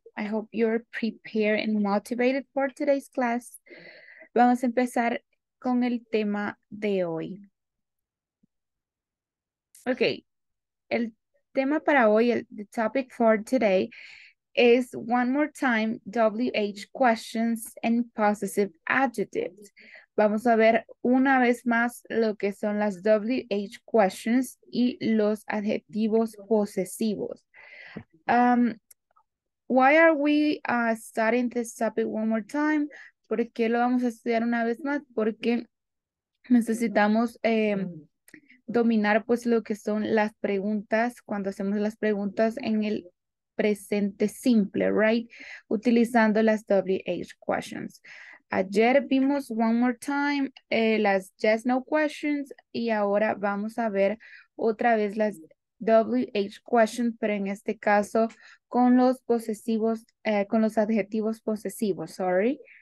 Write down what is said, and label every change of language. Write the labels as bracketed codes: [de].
[en] I hope you're prepared and motivated for today's class. [es] Vamos a empezar con el tema de hoy. [en] Okay, [es] el tema para hoy, [en] the topic for today is one more time WH questions and possessive adjectives. [es] Vamos a ver una vez más lo que son las WH questions y los adjetivos posesivos. [en] Why are we studying this topic one more time? [es] ¿Por qué lo vamos a estudiar una vez más? Porque necesitamos dominar pues lo que son las preguntas cuando hacemos las preguntas en el presente simple, right? Utilizando las WH questions. Ayer vimos [en] one more time [es] las yes no questions y ahora vamos a ver otra vez las WH questions, pero en este caso con los posesivos, con los adjetivos posesivos, sorry.